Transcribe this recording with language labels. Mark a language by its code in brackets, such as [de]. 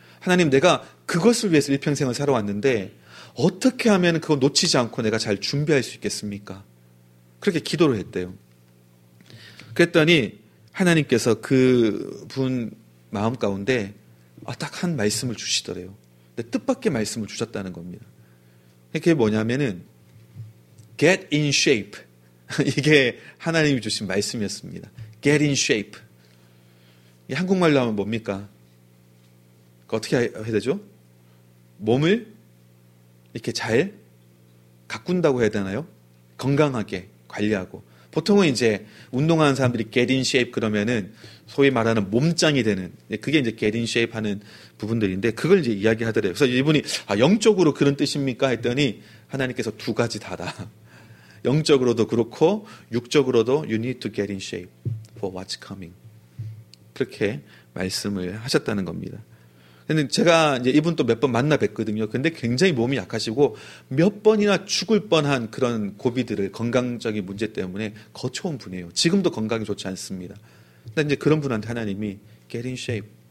[ko] 하나님, 내가 그것을 위해서 일평생을 살아왔는데 어떻게 하면 그거 놓치지 않고 내가 잘 준비할 수 있겠습니까? 그렇게 기도를 했대요. 그랬더니 하나님께서 그분 마음 가운데 딱 한 말씀을 주시더래요. 근데 뜻밖의 말씀을 주셨다는 겁니다. 그게 뭐냐면은 [en] Get in shape. [ko] 이게 하나님이 주신 말씀이었습니다. [en] Get in shape. [ko] 이게 한국말로 하면 뭡니까? 어떻게 해야 되죠? 몸을 이렇게 잘 가꾼다고 해야 되나요? 건강하게 관리하고. 보통은 이제 운동하는 사람들이 get in shape 그러면은 소위 말하는 몸짱이 되는, 그게 이제 get in shape 하는 부분들인데 그걸 이제 이야기 하더래요. 그래서 이분이 아, 영적으로 그런 뜻입니까? 했더니 하나님께서 두 가지 다다. 영적으로도 그렇고 육적으로도 [en] you need to get in shape for what's coming. [ko] 그렇게 말씀을 하셨다는 겁니다. 근데 제가 이제 이분 또 몇 번 만나 뵀거든요. 근데 굉장히 몸이 약하시고 몇 번이나 죽을 뻔한 그런 고비들을 건강적인 문제 때문에 거쳐온 분이에요. 지금도 건강이 좋지 않습니다. 근데 이제 그런 분한테 하나님이 get in shape.